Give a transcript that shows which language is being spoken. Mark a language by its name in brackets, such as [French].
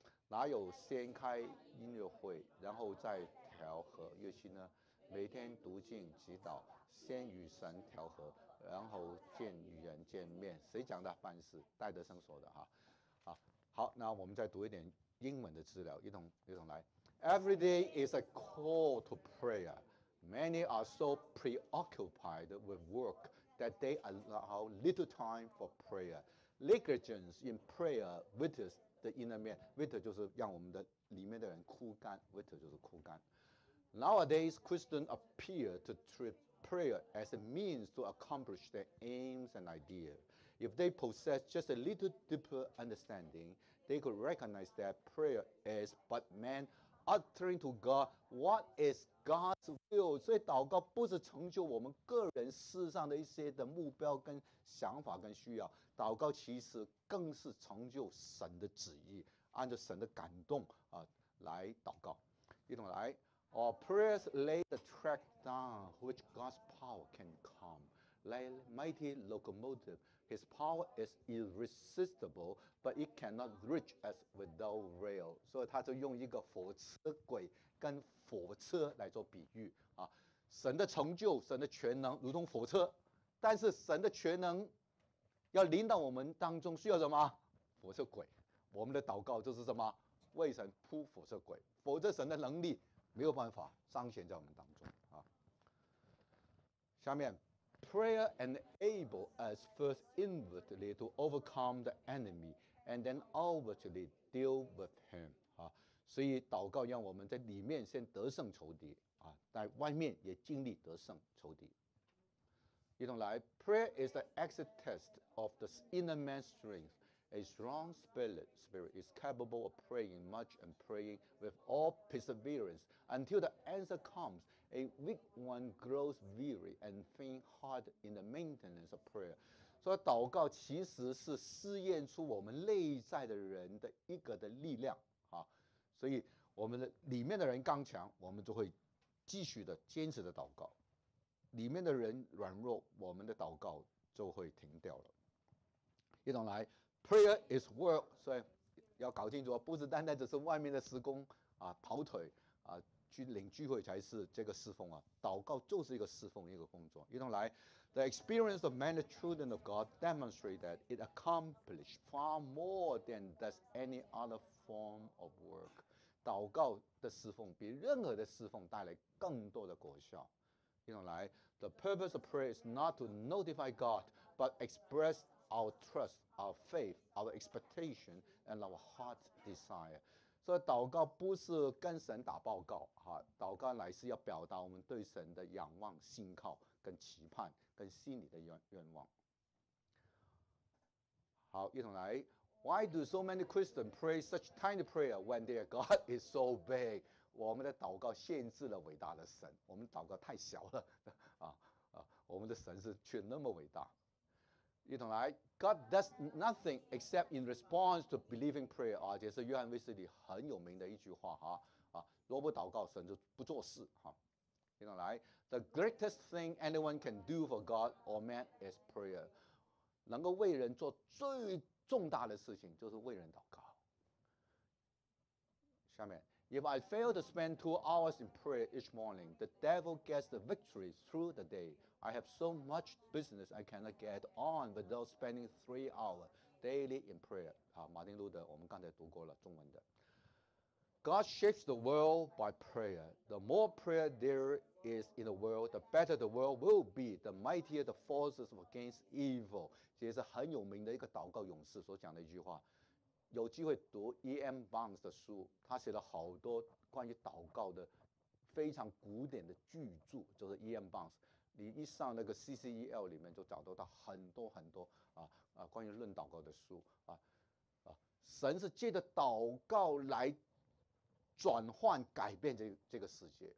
[Chinese] 哪有先开音乐会然后再调和乐器呢？每天读经祈祷，先与神调和，然后见与人见面。谁讲的？范斯戴德生说的哈。好，那我们再读一点英文的资料，一同来。 [English] Every day is a call to prayer. Many are so preoccupied with work that they allow little time for prayer. Negligence in prayer withers the inner man. [Chinese] Wither 就是让我们的里面的人枯干 ，wither 就是枯干。 [English] Nowadays, Christians appear to treat prayer as a means to accomplish their aims and ideas. If they possess just a little deeper understanding, they could recognize that prayer is but man uttering to God what is God's will. [Chinese] 所以祷告不是成就我们个人世上的一些的目标跟想法跟需要，祷告其实更是成就神的旨意，按照神的感动、来祷告。一同来。 [English] Our prayers lay the track down which God's power can come. Like a mighty locomotive, His power is irresistible, but it cannot reach us without rail. [Chinese] 所以他就用一个火车轨跟火车来做比喻啊。神的成就，神的全能如同火车，但是神的全能要临到我们当中需要什么？火车轨。我们的祷告就是什么？为神铺火车轨，否则神的能力没有办法彰显在我们当中啊。下面 [English] ，prayer enable us first inwardly to overcome the enemy and then outwardly deal with him 啊。 [Chinese] 所以祷告让我们在里面先得胜仇敌啊，在外面也经历得胜仇敌。一同来 [English] ，prayer is the exit test of the inner man's strength. A strong spirit is capable of praying much and praying with all perseverance until the answer comes. A weak one grows weary and faint heart in the maintenance of prayer. [Chinese] 所以祷告其实是试验出我们内在的人的一个的力量啊。所以我们的里面的人刚强，我们就会继续的坚持的祷告；里面的人软弱，我们的祷告就会停掉了。一同来。 [English] Prayer is work, [Chinese] 所以要搞清楚，不是单单只是外面的施工啊，跑腿啊，去领聚会才是这个侍奉啊。祷告就是一个侍奉，一个工作。一同来 [English] ，The experience of many children of God demonstrate that it accomplishes far more than does any other form of work. [Chinese] 祷告的侍奉比任何的侍奉带来更多的果效。一同来 [English] ，The purpose of prayer is not to notify God, but express. Our trust, our faith, our expectation, and our heart's desire. [Chinese] 所以祷告不是跟神打报告，祷告乃是要表达我们对神的仰望、信靠、跟期盼、跟心里的愿望。好，一同来。 [English] Why do so many Christians pray such tiny prayer when their God is so big? [Chinese] 我们的祷告限制了伟大的神，我们祷告太小了，我们的神是却那么伟大。一同来 ， [English] God does nothing except in response to believing prayer [Chinese] 啊，这是约翰威斯理很有名的一句话哈啊，若不祷告，神就不做事哈。 [English] 一同来 ，The greatest thing anyone can do for God or man is prayer， [Chinese] 能够为人做最重大的事情就是为人祷告。下面 [English] ，If I fail to spend 2 hours in prayer each morning, the devil gets the victory through the day. I have so much business I cannot get on without spending 3 hours daily in prayer. [Chinese] 好，马丁路德，我们刚才读过了中文的。 [English] God shapes the world by prayer. The more prayer there is in the world, the better the world will be. The mightier the forces against evil. [Chinese] 这是很有名的一个祷告勇士所讲的一句话。有机会读 E.M. Barnes 的书，他写了好多关于祷告的非常古典的巨著，就是 E.M. Barnes。你一上那个 C.C.E.L. 里面就找得到很多很多关于论祷告的书神是借着祷告来转换改变这个世界。